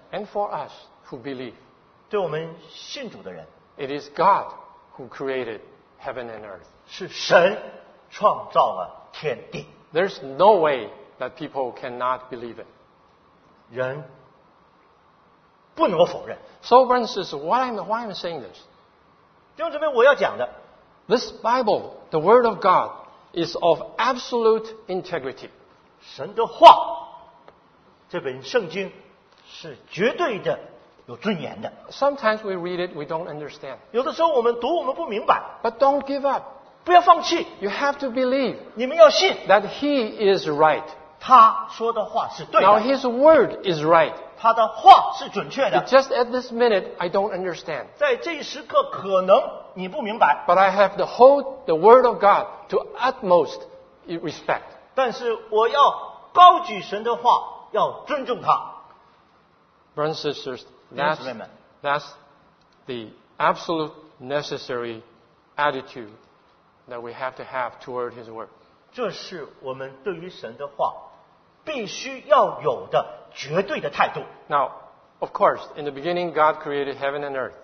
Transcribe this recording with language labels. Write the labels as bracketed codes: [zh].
[en] And for us who believe, [zh] 对我们信主的人， [en] it is God who created heaven and earth. [zh] 是神创造了天地。 [en] There's no way that people cannot believe it. [zh] 人不能够否认。 [en] So, Francis, why I'm saying this? [zh] 弟兄姊妹，我要讲的。 [en] This Bible, the Word of God, is of absolute integrity. [zh] 神的话，这本圣经是绝对的，有尊严的。 [en] Sometimes we read it, we don't understand. [zh] 有的时候我们读，我们不明白。 [en] But don't give up. [zh] 不要放弃。 [en] You have to believe. [zh] 你们要信。 [en] That He is right. [zh] 他说的话是对的。 [en] Now His word is right. [zh] 他的话是准确的。 [en] Just at this minute, I don't understand. [zh] 在这一时刻，可能你不明白。 [en] But I have to hold the word of God to utmost respect. [zh] 但是我要高举神的话，要尊重他。 [en] Brothers and sisters, that's the absolute necessary attitude that we have to have toward His Word. [zh] 这是我们对于神的话必须要有的绝对的态度。 [en] Now, of course, in the beginning, God created heaven and earth.